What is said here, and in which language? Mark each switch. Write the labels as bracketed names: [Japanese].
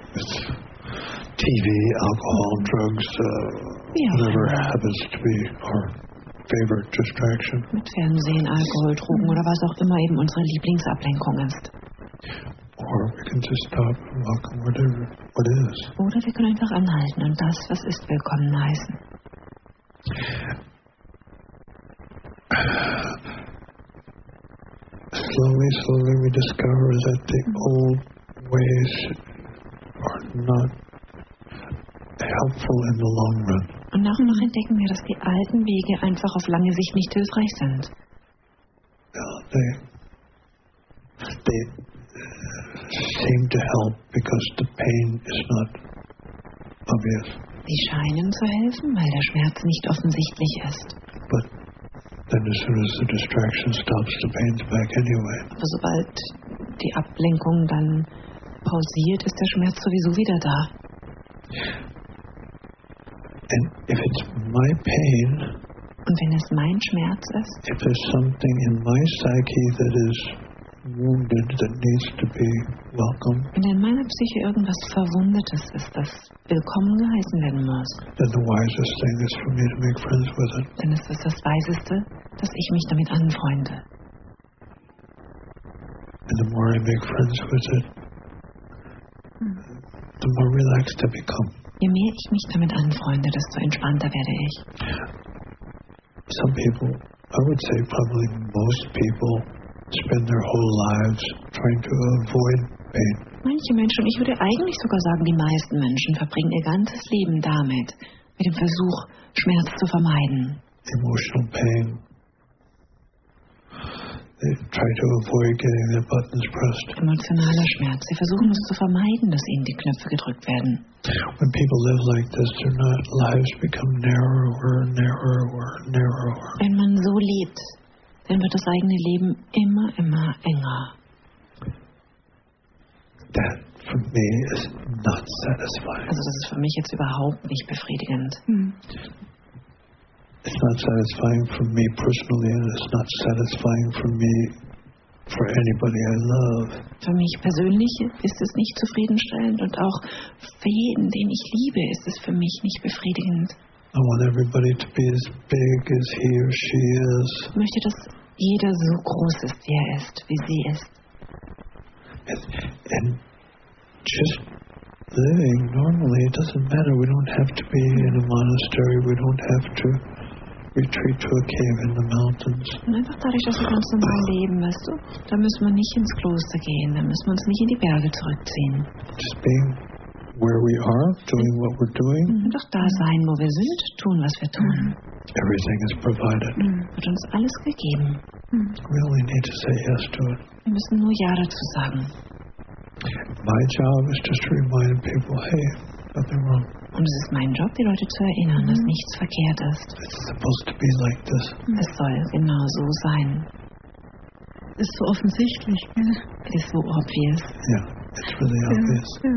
[English] It's TV, alcohol, drugs, whatever happens to be our favorite distraction. [German] Mit Fernsehen, Alkohol, Drogen oder was auch immer eben unsere Lieblingsablenkung ist. [English] Or we can just stop and welcome what is. [German] Oder wir können einfach anhalten und das, was ist, willkommen heißen. [English] Slowly we discover that the old ways are not helpful in the long run. [German] Und nach und nach entdecken wir, dass die alten Wege einfach auf lange Sicht nicht hilfreich sind. [English] They seem to help because the pain is not obvious. [German] Die scheinen zu helfen, weil der Schmerz nicht offensichtlich ist. [English] But then as soon as the distraction stops, the pain's back anyway. [German] Aber sobald die Ablenkung dann pausiert, ist der Schmerz sowieso wieder da. [English] And if it's my pain, [German] und wenn es mein Schmerz ist, [English] if there's something in my psyche that is wounded, that needs to be welcomed. [German] Wenn in meiner Psyche irgendwas Verwundetes ist, das willkommen geheißen werden muss, [English] then the wisest thing is for me to make friends with it. [German] Dann ist es das Weiseste, dass ich mich damit anfreunde. [English] And the more I make friends with it, the more relaxed I become. [German] Je mehr ich mich damit anfreunde, desto entspannter werde ich. [English] Some people, I would say probably most people, spend their whole lives trying to avoid pain. [German] Manche Menschen, ich würde eigentlich sogar sagen, die meisten Menschen verbringen ihr ganzes Leben damit, mit dem Versuch, Schmerz zu vermeiden. [English] Emotional pain. They try to avoid getting their buttons pressed. [German] Emotionaler Schmerz. Sie versuchen es zu vermeiden, dass ihnen die Knöpfe gedrückt werden. [English] When people live like this, their lives become narrower and narrower and narrower. [German] Wenn man so lebt, dann wird das eigene Leben immer, immer enger. [English] That for me is not satisfying. [German] Also das ist für mich jetzt überhaupt nicht befriedigend. [English] It's not satisfying for me personally, and it's not satisfying for me for anybody I love. [German] Für mich persönlich ist es nicht zufriedenstellend und auch für jeden, den ich liebe, ist es für mich nicht befriedigend. [English] I want everybody to be as big as he or she is. [German] Ich möchte, dass jeder so groß ist, wie er ist, wie sie ist. [English] And just living normally, it doesn't matter. We don't have to be in a monastery. We don't have to retreat to a cave in the mountains. [German] Einfach dadurch, dass wir ganz normal leben, weißt du, da müssen wir nicht ins Kloster gehen, da müssen wir uns nicht in die Berge zurückziehen. [English] Just being where we are, doing what we're doing. [German] Einfach da sein, wo wir sind, tun, was wir tun. [English] Everything is provided. [German] Wird uns alles gegeben. [English] We only need to say yes to it. [German] Wir müssen nur ja dazu sagen. [English] My job is just to remind people, hey, nothing wrong. [German] Und es ist mein Job, die Leute zu erinnern, dass nichts verkehrt ist. [English] It's supposed to be like this. [German] Es soll genau so sein. Ist so offensichtlich, gell? [English] It is so obvious. Yeah, it's really obvious.